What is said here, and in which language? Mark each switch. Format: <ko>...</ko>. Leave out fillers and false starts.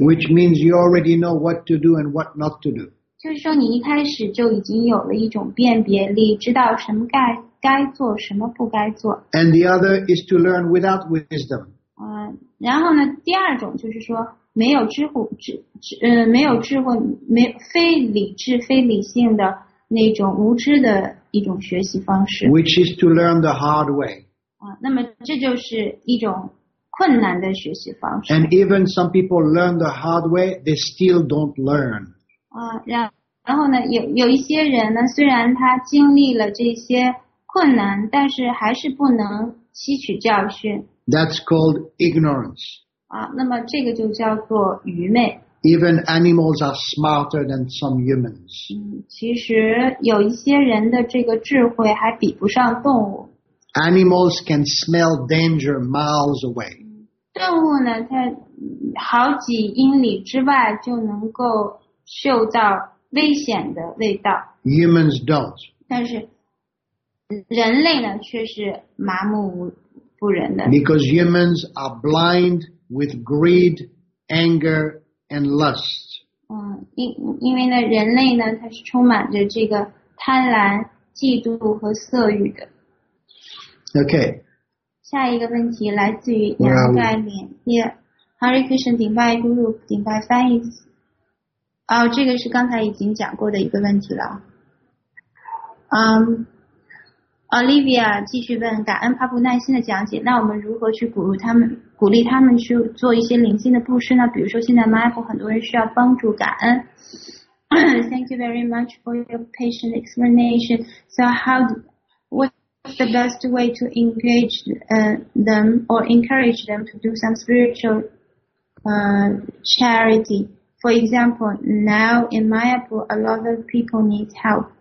<en>Which means you already know what to do and what not to do.</en> <zh>就是说你一开始就已经有了一种辨别力，知道什么该做，什么不该做。</zh> <en>And the other is to learn without wisdom.</en> <zh>然后呢，第二种就是说没有知慧，没有智慧，非理智、非理性的那种无知的一种学习方式。</zh> <en>Which is to learn the hard way.</en> <zh>那么这就是一种困难的学习方式。</zh> <en>And even some people learn the hard way, they still don't learn.</en> <zh>然后呢，有一些人呢，虽然他经历了这些困难，但是还是不能吸取教训。</zh> <en>That's called ignorance.</en> <zh>那么这个就叫做愚昧。</zh> <en>Even animals are smarter than some humans.</en> <zh>其实有一些人的这个智慧还比不上动物。</zh> <en>Animals can smell danger miles away.</en> <zh>动物呢，它好几英里之外就能够嗅到危险的味道。</zh> <en>Humans don't.</en> <zh>但是人类呢，却是麻木不仁的。</zh> <en>Because humans are blind with greed, anger, and lust.</en> <zh>因为呢，人类呢，它是充满着这个贪婪、嫉妒和色欲的。</zh> <en>Okay.</en> <zh>下一个问题来自于杨盖脸叶 ，Hari Krishna 顶拜 Guru 顶拜翻译。这个是刚才已经讲过的一个问题了。 Olivia 继续问，感恩帕布耐心的讲解，那我们如何去鼓励他们去做一些灵性的布施呢？比如说现在 Michael 很多人需要帮助，感恩。</zh> <en>Thank you very much for your patient explanation. So what's the best way to engage them or encourage them to do some spiritual charity? For example, now in Mayapur, a lot of people need help.</en>